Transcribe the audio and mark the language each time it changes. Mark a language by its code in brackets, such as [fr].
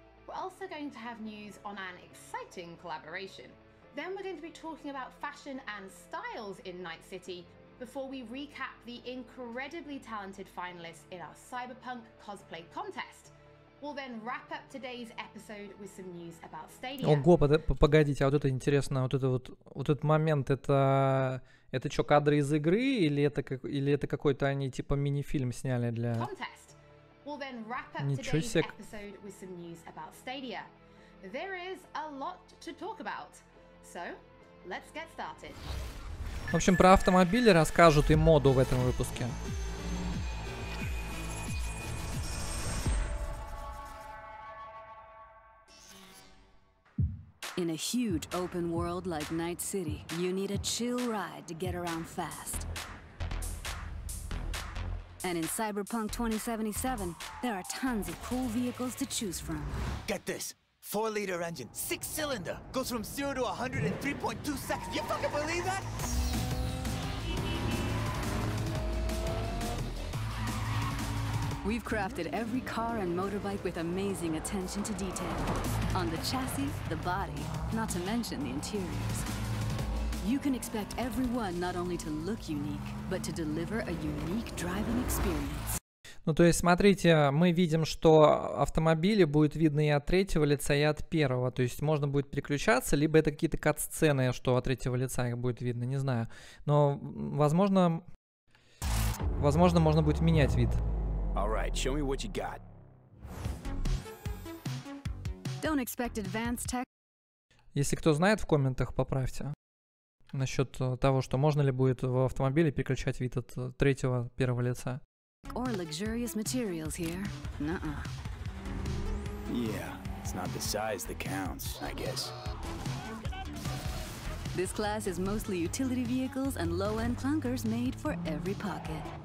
[en] We're also going to have news on an exciting collaboration. Then we're going to be talking about fashion and styles in Night City before we recap the incredibly talented finalists in our Cyberpunk cosplay contest. We'll then wrap up today's episode with some news about Stadia. [ru] Ого, погодите, а вот это интересно, вот этот момент, это что, кадры из игры, или это какой-то они типа мини-фильм сняли для... [en] Contest. We'll then wrap up today's episode with some news about Stadia. There is a lot to talk about, so let's get started. [ru] В общем, про автомобили расскажут и моду в этом выпуске. [en] In a huge open world like Night City, you need a chill ride to get around fast. And in Cyberpunk 2077, there are tons of cool vehicles to choose from. Get this. 4-liter engine, 6-cylinder, goes from 0 to 100 in 3.2 seconds. You fucking believe that? We've crafted every car and motorbike with amazing attention to detail. On the chassis, the body, not to mention the interiors. You can expect everyone not only to look unique, but to deliver a unique driving experience. [ru] Ну, то есть, смотрите, мы видим, что автомобили будут видны и от третьего лица, и от первого. То есть, можно будет переключаться, либо это какие-то кат-сцены, что от третьего лица их будет видно, не знаю. Но, возможно, можно будет менять вид. [en] All right, show me what you got. Don't expect advanced tech. [ru] Если кто знает, в комментах поправьте. Насчет того, что можно ли будет в автомобиле переключать вид от третьего, первого лица. [en] Or luxurious materials here. Nuh-uh. Yeah, it's not the size that counts, I guess. This class is mostly utility vehicles and low-end clunkers made for every pocket.